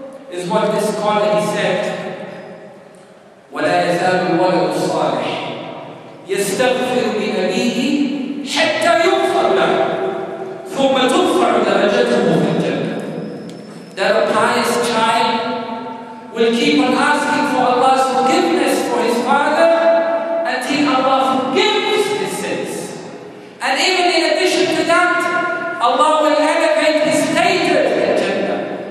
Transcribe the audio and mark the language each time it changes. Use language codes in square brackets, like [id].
[en] Is what this scholar said. [ar] يزال الولد الصالح يستغفر لأبيه حتى يغفر له ثم تغفر درجته في الجنة. [en] That a pious child will keep on asking for Allah's forgiveness for his father until Allah forgives his sins. And even in addition to that, Allah will elevate his later to the Jannah.